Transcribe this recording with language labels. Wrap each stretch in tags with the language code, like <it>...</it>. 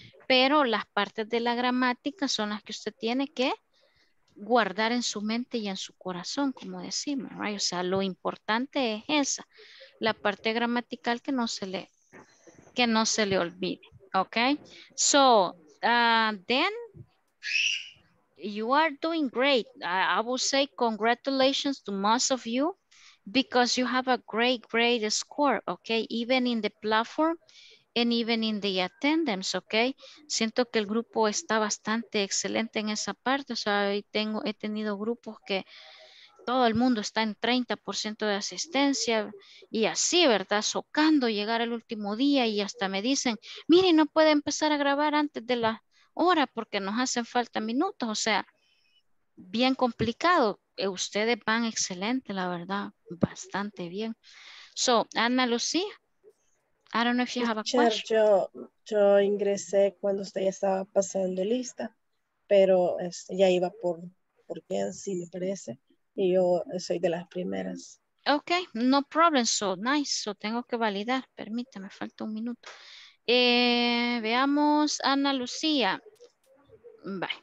<es>Pero las partes de la gramática son las que usted tiene que guardar en su mente y en su corazón, como decimos, right? O sea, lo importante es esa, la parte gramatical que no se le olvide, ¿ok?</es> <en>So, then, you are doing great. I will say congratulations to most of you because you have a great, great score, ¿ok? Even in the platform and even in the attendance, ¿ok?</en> <es>Siento que el grupo está bastante excelente en esa parte. O sea, he tenido grupos que todo el mundo está en 30% de asistencia y así, ¿verdad? Socando llegar el último día y hasta me dicen, mire, no puede empezar a grabar antes de la hora porque nos hacen falta minutos. O sea, bien complicado. Ustedes van excelente, la verdad, bastante bien.</es> <en>So, Ana Lucía, I don't know if you have a question.</en> <es>Yo ingresé cuando usted ya estaba pasando lista, pero ya iba por 15, me parece. Y yo soy de las primeras.</es> <en>Ok, no problem. So nice.</en> <es>So tengo que validar. Permítame, falta un minuto. Veamos, Ana Lucía. Bye.</es>